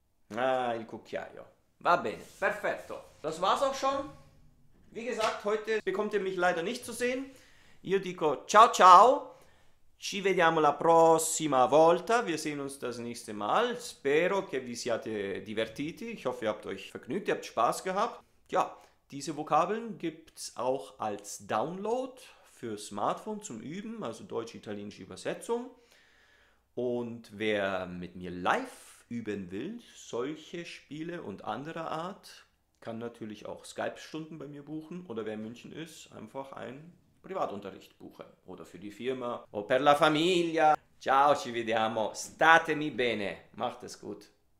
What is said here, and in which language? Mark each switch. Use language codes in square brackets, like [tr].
[it] Ah, il cucchiaio. Va bene, perfetto. [de] Das war's auch schon. Wie gesagt, heute bekommt ihr mich leider nicht zu sehen. [it] Io dico ciao ciao. Ci vediamo la prossima volta. [de] Wir sehen uns das nächste Mal. [it] Spero che vi siate divertiti. [de] Ich hoffe, ihr habt euch vergnügt, ihr habt Spaß gehabt. Ja, diese Vokabeln gibt's auch als Download für Smartphone zum Üben, also deutsch-italienische Übersetzung. Und wer mit mir live üben will, solche Spiele und anderer Art, kann natürlich auch Skype-Stunden bei mir buchen oder wer in München ist, einfach einen Privatunterricht buchen oder für die Firma [it] o per la famiglia. Ciao, ci vediamo, statemi bene, [de] macht es gut.